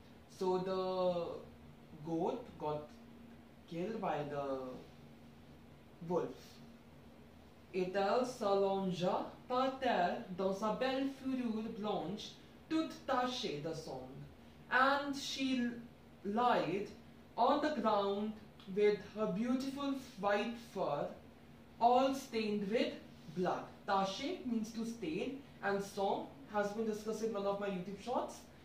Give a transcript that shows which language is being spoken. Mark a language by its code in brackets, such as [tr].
[en] So the goat got killed by the wolf. [fr] Et elle s'allongea par terre dans sa belle fourrure blanche, toute tachée de sang. [en] And she lied on the ground with her beautiful white fur, all stained with blood. Tache means to stain, and song has been discussed in one of my YouTube shorts.